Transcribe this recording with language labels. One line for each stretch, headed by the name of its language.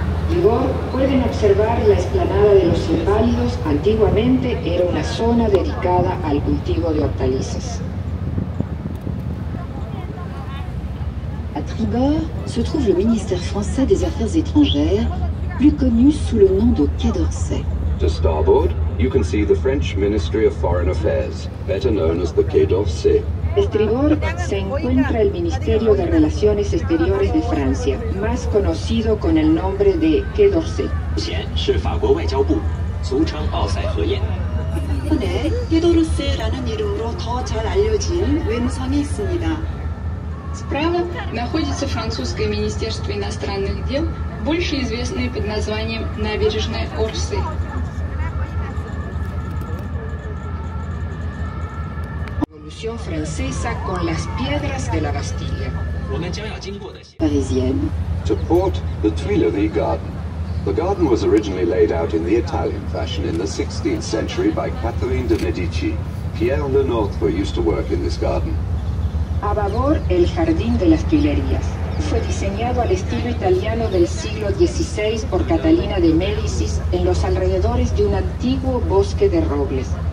Spanish: Tribord, pueden observar la esplanada de los Inválidos. Antiguamente era una zona dedicada al cultivo de hortalizas.
French: Tribord se trouve le ministère français des Affaires étrangères, plus connu sous le nom de Quai d'Orsay.
English: To starboard, you can see the French Ministry of Foreign Affairs, better known as the Quai d'Orsay.
Spanish: Estribor se encuentra el Ministerio de Relaciones Exteriores de Francia, más conocido con el nombre de Quai d'Orsay.
Chinese: 是法国外交部, 俗称奥塞河堰.
Korean: 네, 깨도르세라는 이름으로 더 잘 알려진 외무성이 있습니다.
Russian: Справа находится французское министерство иностранных дел, больше известное под названием Набережная Орсы.
Spanish: Revolución francesa con las piedras de la Bastilla.
English: Parisienne. To port the Tuileries Garden. The garden was originally laid out in the Italian fashion in the 16th century by Catherine de Medici. Pierre Le Nôtre used to work in this garden.
Spanish: A babor, el jardín de las Tuilerías. Fue diseñado al estilo italiano del siglo XVI por Catalina de Médicis en los alrededores de un antiguo bosque de robles.